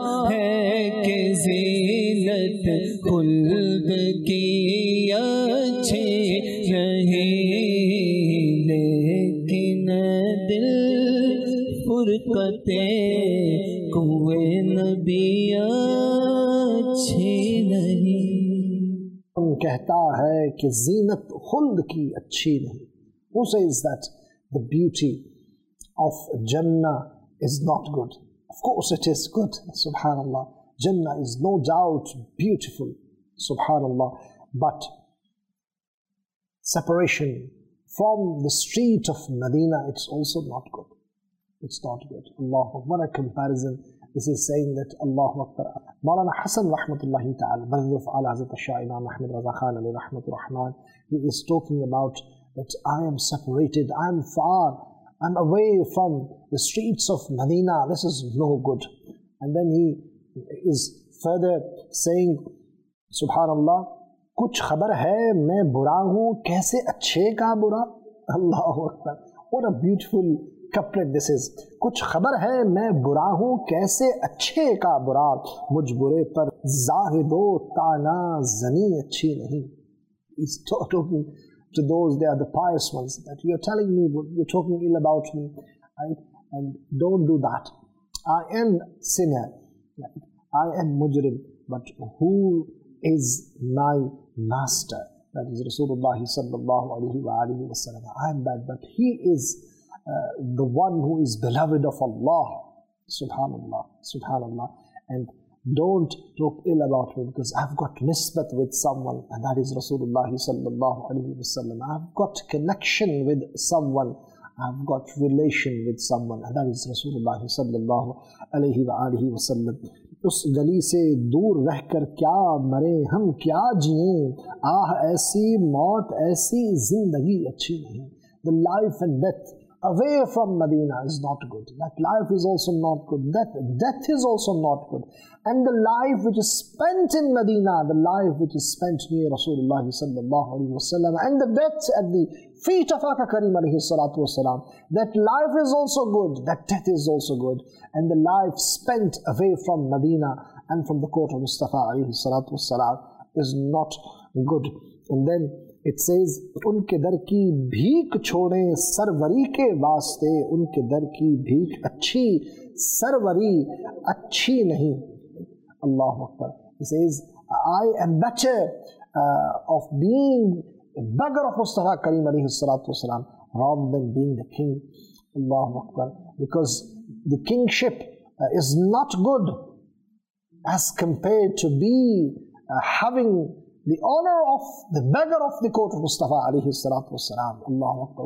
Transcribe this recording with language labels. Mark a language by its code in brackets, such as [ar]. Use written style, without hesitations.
[ur] ہے کہ زینت خلد کی اچھی نہیں لیکن دل فرقتِ کوئے نبی اچھی کہتا ہے کہ زینت خلد کی اچھی نہیں. [en] Who says that the beauty of Jannah is not good? Of course it is good, subhanallah. Jannah is no doubt beautiful, subhanallah. But separation from the street of Medina, it's also not good. It's not good. Allahu Akbar, what a comparison. This is saying that Allahu Akbar. Maulana Hassan rahmatullahi ta'ala, brother of Allah Hazrat Shah Imam Ahmed Raza Khan alayhi rahmatu rahman, he is talking about that I am separated, I am far, I'm away from the streets of Medina, this is no good. And then he is further saying, subhanallah, [ur] kuch khabar hai main bura hoon, kaise acche ka bura? [en] Allahu Akbar. What a beautiful couplet this is. [ur] کچھ خبر ہے میں برا ہوں کیسے اچھے کا برا مجھ برے پر زاہد و تانا زنی اچھی نہیں. [en] He's talking to those, they are the pious ones, that you're telling me, you're talking ill about me, right? And don't do that. I am sinner, right? I am mujrim, but who is my master? That is Rasulullah sallallahu alayhi wa alihi wa sallam. I am bad, but he is the one who is beloved of Allah, subhanallah, subhanallah. And don't talk ill about me because I've got nisbat with someone, and that is Rasulullah sallallahu alayhi wa sallam. I've got connection with someone, I've got relation with someone, and that is Rasulullah sallallahu alayhi wa alihi wa sallam. [ur] اس گلی سے دور رہ کر کیا مریں ہم کیا جئیں آہ ایسی موت ایسی زندگی اچھی نہیں. [en] The life and death away from Medina is not good. That life is also not good. Death is also not good. And the life which is spent in Medina, the life which is spent near Rasulullah sallallahu alayhi wa sallam, and the death at the feet of Aka Kareem alayhi salatu wa salam, that life is also good. That death is also good. And the life spent away from Medina and from the court of Mustafa alayhi salatu wa salam is not good. And then it says, [ur] ان کے در کی بھیک چھوڑیں سروری کے واسطے ان کے در کی بھیک اچھی سروری اچھی نہیں. [ar] اللہ اکبر. [en] It says, I am better of being a beggar of Mustafa Kareem alayhi salatu wasalam rather than being the king. Allahu Akbar. Because the kingship is not good as compared to be having the honor of the beggar of the court of Mustafa alayhi salatu wasalam. Allahu Akbar.